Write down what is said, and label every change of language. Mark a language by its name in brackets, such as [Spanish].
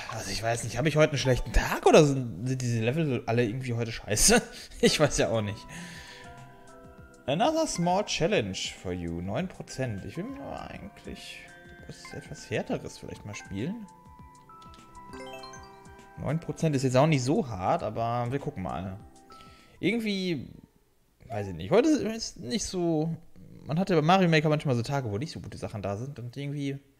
[German] Ich weiß nicht, habe ich heute einen schlechten Tag oder sind diese Level alle irgendwie heute scheiße? Ich weiß ja auch nicht. [English] Another small challenge for you. [German] 9%. Ich will mir eigentlich was etwas härteres vielleicht mal spielen. 9% ist jetzt auch nicht so hart, aber wir gucken mal. Irgendwie, weiß ich nicht. Heute ist nicht so. Man hat ja bei Mario Maker manchmal so Tage, wo nicht so gute Sachen da sind und irgendwie.